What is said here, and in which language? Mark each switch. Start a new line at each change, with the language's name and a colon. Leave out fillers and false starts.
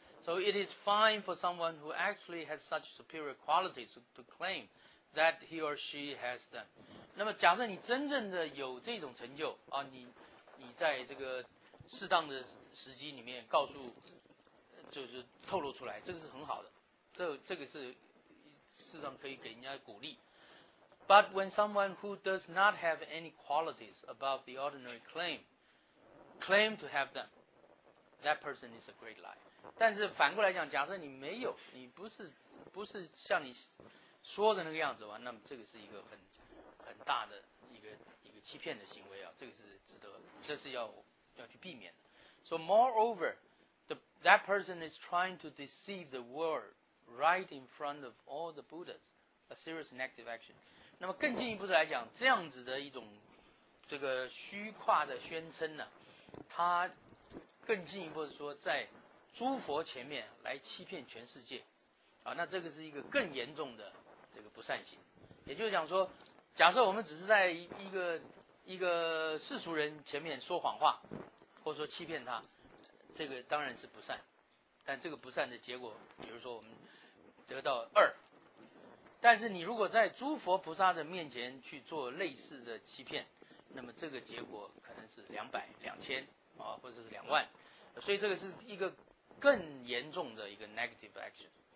English: So it is fine for someone who actually has such superior qualities to claim that he or she has done。
Chinese: 那么假设你真正的有这种成就啊，你在这个适当的时机里面告诉，就是透露出来，这个是很好的，这个是事实上可以给人家鼓励。
English: But when someone who does not have any qualities above the ordinary claim to have them, that person is a great liar。
Chinese: 但是反过来讲，假设你没有，你不是像你说的那个样子吧，那么这个是一个很大的一个欺骗的行为啊，这个是值得，这是要去避免的。
English: So moreover, that person is trying to deceive the world right in front of all the Buddhas, a serious negative action。
Chinese: 那么更进一步的来讲，这样子的一种这个虚夸的宣称呢，他更进一步的说在诸佛前面来欺骗全世界啊，那这个是一个更严重的这个不善行。也就是讲说，假设我们只是在一个世俗人前面说谎话或者说欺骗他，这个当然是不善，但这个不善的结果比如说我们得到二，但是你如果在诸佛菩萨的面前去做类似的欺骗，那么这个结果可能是200、2000、啊、或者是20000，所以这个是一个更严重的一个
English: negative action。